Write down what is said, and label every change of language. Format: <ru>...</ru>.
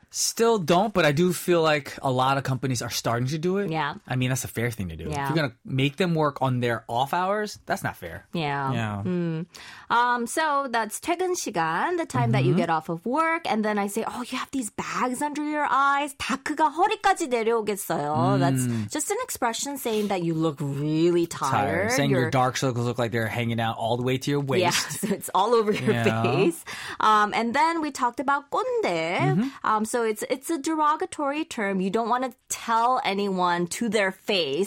<en>Still don't, but I do feel like a lot of companies are starting to do it. Yeah. I mean, that's a fair thing to do. Yeah. If you're going to make them work on their off hours, that's not fair. Yeah. Yeah. Mm. So that's 퇴근 시간, the time that you get off of work. And then I say, oh, you have these bags under your eyes.</en> <ko>다크가 허리까지 내려오겠어요.</ko> <en>That's just an expression saying that you look really tired. Saying your dark circles look like they're hanging out all the way to your waist. Yeah, so it's all over your face. And then we talked about 꼰대. So it's a derogatory term. You don't want to tell anyone to their face</en>